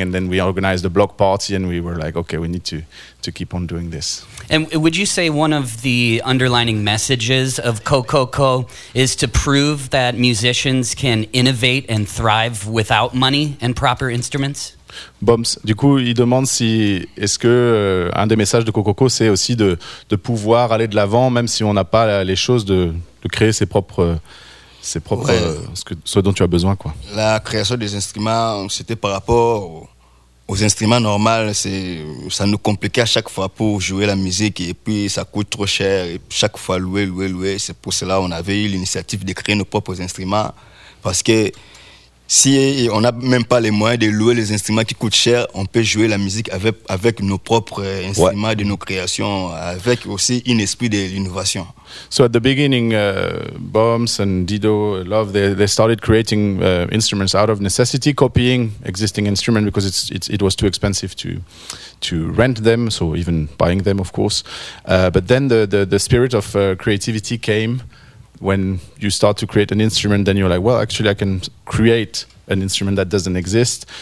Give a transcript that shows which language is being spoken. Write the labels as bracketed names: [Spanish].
[English] And then we organized a block party and we were like, okay, we need to keep on doing this. And would you say one of the underlining messages of Kokoko is to prove that musicians can innovate and thrive without money and proper instruments? Bombs. [French] Du coup, il demande si est-ce que un des messages de Kokoko, c'est aussi de pouvoir aller de l'avant, même si on n'a pas les choses, de créer ses propres ce dont tu as besoin, quoi. La création des instruments, c'était par rapport aux instruments normaux. Ça nous compliquait à chaque fois pour jouer la musique et puis ça coûte trop cher et chaque fois louer. C'est pour cela qu'on avait eu l'initiative de créer nos propres instruments parce que si on n'a même pas les moyens de louer les instruments qui coûtent cher, on peut jouer la musique avec nos propres instruments, ouais, de nos créations, avec aussi un esprit d'innovation. [English] So at the beginning, Bombs and Dido, Love, they started creating instruments out of necessity, copying existing instruments because it was too expensive to rent them, so even buying them, of course. But then the spirit of creativity came. When you start to create an instrument, then you're like, well, actually, I can create an instrument that doesn't exist.